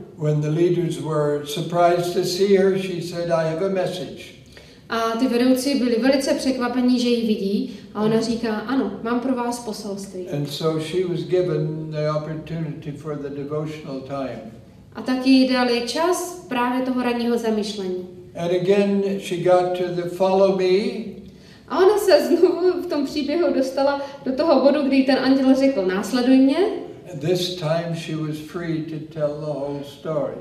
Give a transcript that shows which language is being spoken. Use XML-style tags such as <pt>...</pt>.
<en>When the leaders were surprised to see her, she said, I have a message.</en> <cs>A ty vedoucí byli velice překvapení, že ji vidí, a ona říká, ano, mám pro vás poselství.</cs> <en>And so she was given the opportunity for the devotional time.</en> <cs>A tak jí dali čas právě toho ranního zamyšlení.</cs> <en>And again she got to the follow me.</en> <cs>A ona se znovu v tom příběhu dostala do toho bodu, kdy ten anděl řekl, následuj mě.</cs> <en>This time she was free to tell the whole story.</en>